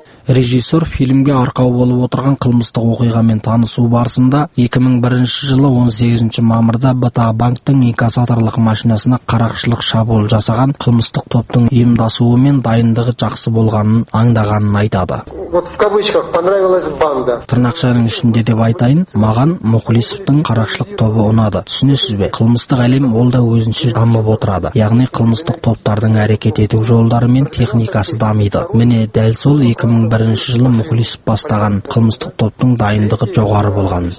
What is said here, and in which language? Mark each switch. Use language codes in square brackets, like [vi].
[kk] Режиссер фильмге арқау болып отырған қылмыстық оқиғамен танысу барысында 2001 жылы 18 мамырда БТА банктің инкассаторлық машинасына қарақшылық шабуыл жасаған қылмыстық топтың ұйымдасуы мен дайындығы жақсы болғанын аңдағанын айтады. [ru] Вот в кавычках понравилась банда. [kk] Тырнақшаның ішінде деп айтайын, маған Мұхлисовтың қарақшылық тобы ұнады. Түсінесіз бе? Қылмыстық әлем ол да өзінше дамып отырады. Яғни қылмыстық топтардың әрекет ету жолдары мен техникасы дамиды. Міне дәл сол 2001 жылы Мұхлисов бастаған қылмыстық топтың дайындығы жоғары болған.